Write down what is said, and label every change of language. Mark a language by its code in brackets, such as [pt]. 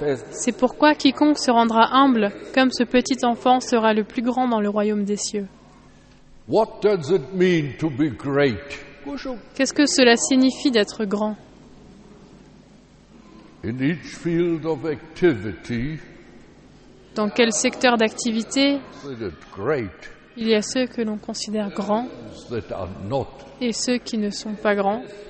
[fr] C'est pourquoi quiconque se rendra humble comme ce petit enfant sera le plus grand dans le royaume des cieux. [en] What does it mean to be great? [fr] Qu'est-ce que cela signifie d'être grand? [en] In each field of activity, [fr] dans quel secteur d'activité [en] great, [fr] il y a ceux que l'on considère grands [en] that are not. [fr] Et ceux qui ne sont pas grands.